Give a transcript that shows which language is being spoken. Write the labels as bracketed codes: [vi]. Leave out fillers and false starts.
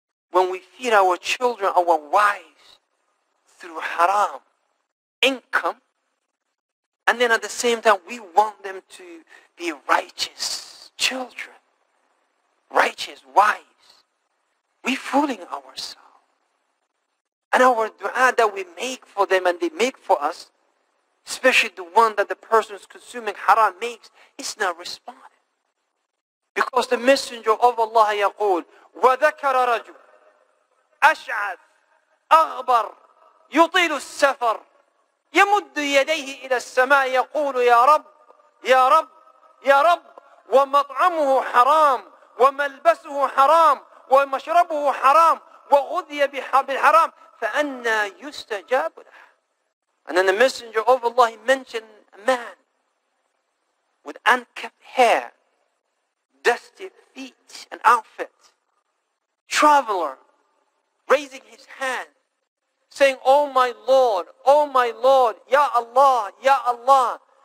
[en] when we feed our children, our wives, through haram income, and then at the same time we want them to be righteous children, righteous wives, we're fooling ourselves. And our dua that we make for them and they make for us, especially the one that the person is consuming haram makes, it's not responded. Because the Messenger of Allah yaqul, [ar] وَذَكَرَ رَجُلٌ أَشْعَثْ أَغْبَرْ يُطِيلُ السَّفَرْ يَمُدُّ يَدَيْهِ إِلَى السَّمَاءِ يَقُولُ يَا رَبْ يَا رَبْ يَا رَبْ وَمَطْعَمُهُ حَرَامٌ وَمَلْبَسُهُ حَرَامٌ وَمَشْرَبُهُ حَرَامٌ وَغُذِيَ بِالْحَرَامٌ فَأَنَّا يُسْتَجَابُ لَهُ. [en] And then the Messenger of Allah, he mentioned a man with unkept hair, dusty feet and outfit, traveler, raising his hand, saying, oh my Lord, oh my Lord, Ya Allah, Ya Allah.